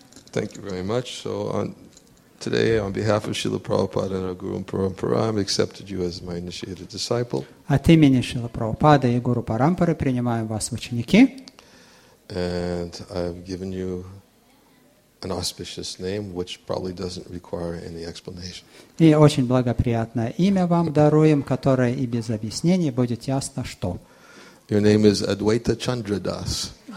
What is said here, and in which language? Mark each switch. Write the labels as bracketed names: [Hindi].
[English] Thank you very much. So today, on behalf of Srila Prabhupada and our Guru Parampara, I've accepted you as my initiated disciple. [Russian] От имени Шрилы Прабхупады и Гуру Парампары принимаем вас в ученики. [English] And I've given you an auspicious name, which probably doesn't require any explanation. [Russian] И очень благоприятное имя вам даруем, которое и без объяснений будет ясно, что. [English] Your name is Advaita Chandradas.